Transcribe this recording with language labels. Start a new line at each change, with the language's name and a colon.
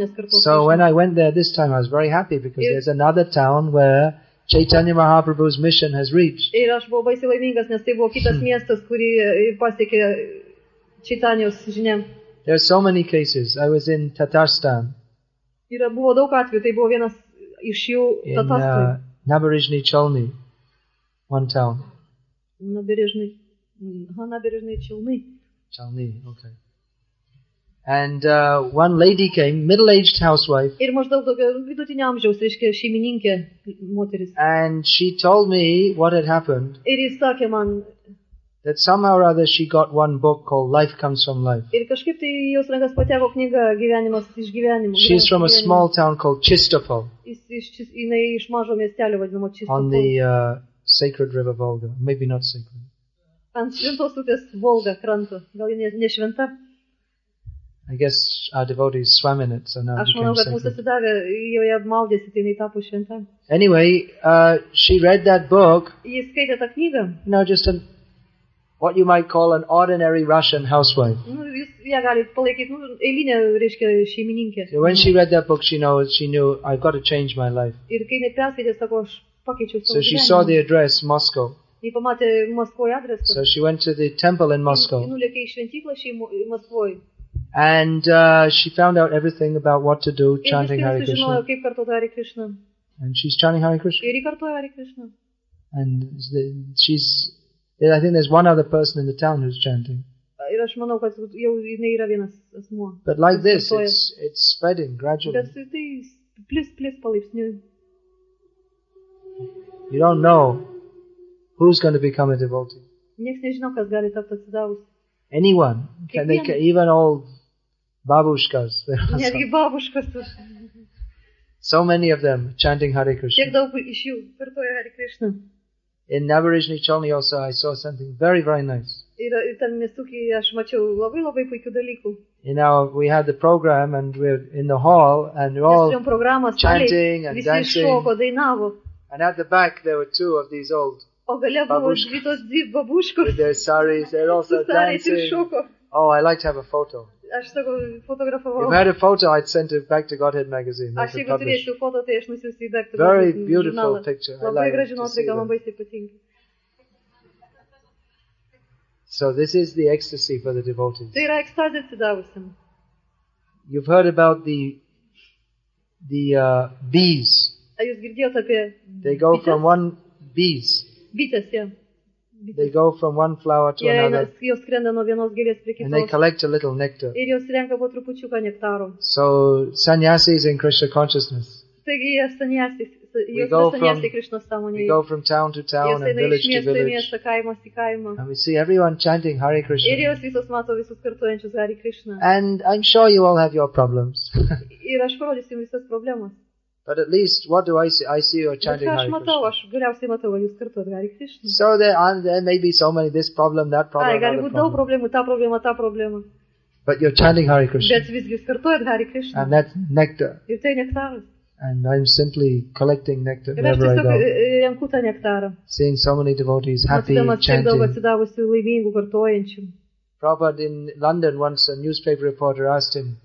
English: So when I went there this time, I was very happy because there's another town where Chaitanya Mahaprabhu's mission has reached.
Lithuanian: Ir aš buvau baisiai laimingas, nes tai buvo kitas miestas, kurį pasiekė Chaitanyos žinia.
English: There are so many cases. I was in Tatarstan.
Lithuanian: Yra buvo daug atvejų, tai buvo vienas iš jų
English: Naberezhny Chelny, one town. Naberezhny Chelny. Okay. And one lady came, middle-aged housewife.
Lithuanian: Ir maždaug tokio vidutinio amžiaus, reiškia, šeimininkė moteris.
English: And she told me what had happened.
Lithuanian: Ir ji sakė man,
English: that somehow or other she got one book called Life Comes from Life.
Lithuanian: Ir kažkaip tai jos rankas pateko knyga Gyvenimas iš gyvenimo.
English: She's from a small town called Chistopol.
Lithuanian: Jinai iš mažo miestelio vadinamo Chistopol.
English: On the sacred river Volga, maybe not sacred.
Lithuanian: Ant šventos upės Volga kranto, gal ne šventa.
English: I guess our devotees swam in it, so now became sacred. Anyway, she read that book.
Lithuanian: Ji skaitė tą knygą.
English: Now just what you might call an ordinary Russian housewife.
Lithuanian: Ją gali palaikyti, eilinė, reiškia, šeimininkė.
English: So when she read that book, she knew, I've got to change my life.
Lithuanian: Ir kai ne perskaitė, sako, aš pakeičiau savo
English: So she saw the address, Moscow.
Lithuanian: Ji pamatė Maskvoje adresą.
English: So she went to the temple in Moscow.
Lithuanian: Ji nulėkė į šventyklą Maskvoje.
English: And she found out everything about what to do, chanting Hare Krishna.
Lithuanian: Kaip kartoti Hare Krishna.
English: And she's chanting Hare Krishna.
Lithuanian: Ir ji kartoja Hare Krishna.
English: And I think there's one other person in the town who's chanting.
Lithuanian: Ir aš manau, kad jau jinai yra vienas asmuo.
English: But like this, it's spreading gradually.
Lithuanian: Bet tai plis palaipsniui.
English: You don't know who's going to become a devotee.
Lithuanian: Nieks nežino, kas gali tapti atsidavus.
English: Anyone. Can they, even old babushkas.
Lithuanian: Netgi babushkas.
English: So many of them chanting Hare Krishna.
Lithuanian: Kiek daug iš jų kartoja Hare Krishna.
English: In Naberezhny Chelny also I saw something very, very nice.
Lithuanian: Ir tam miestuky aš mačiau labai, labai puikių dalykų.
English: You know, we had the program and we're in the hall and we're all chanting and dancing. And at the back there were two of these old babushkas. With their saris, they're also dancing. Oh, I'd like to have a photo.
Lithuanian: Aš sako, fotografavau.
English: If I had a photo, I'd send it back to Godhead magazine.
Lithuanian: Aš jeigu turėčiau foto, tai aš nusiųsiu į Godhead.
English: Very beautiful picture.
Lithuanian: Labai graži nuotrauka, man baisiai patinka.
English: So this is the ecstasy for the devotees.
Lithuanian: Tai yra ekstazė atsidavusiam.
English: You've heard about the bees.
Lithuanian: Ar jūs girdėjot apie
English: bees.
Lithuanian: Bites, jau.
English: They go from one flower to another.
Lithuanian: Jos skrenda nuo vienos gėlės prie kitos.
English: And they collect a little nectar.
Lithuanian: Ir jos renka po trupučiuką nektaro.
English: So sannyasis in Krishna consciousness.
Lithuanian: Taigi jie sannyasis, jos sannyasis Krishna sąmonėje.
English: We go from town to town and village to village.
Lithuanian: Jos eina iš miesto į miestą, kaimo į kaimą.
English: And we see everyone chanting Hare Krishna.
Lithuanian: Ir jos visos mato visus kartuojančius Hare Krishna.
English: And I'm sure you all have your problems.
Lithuanian: Ir aš parodysiu jums visas problemas.
English: But at least, what do I see? I see you are chanting Hare Krishna.
Lithuanian: Aš galiausiai matau, jūs kartuojat Hare Krishna.
English: So there may be so many, this problem, that problem, other problem.
Lithuanian: Gali būti daug problemų, ta problema, ta problema.
English: But you're chanting Hare Krishna.
Lithuanian: Bet visgi jūs kartuojat Hare Krishna.
English: And that's nectar.
Lithuanian: Ir tai nektaras.
English: And I'm simply collecting nectar wherever I go.
Lithuanian: Renku tą nektarą.
English: Seeing so many devotees happy chanting.
Lithuanian: Matydamas tiek daug atsidavusių laimingų kartuojančių.
English: Prabhupada in London once a newspaper reporter asked him.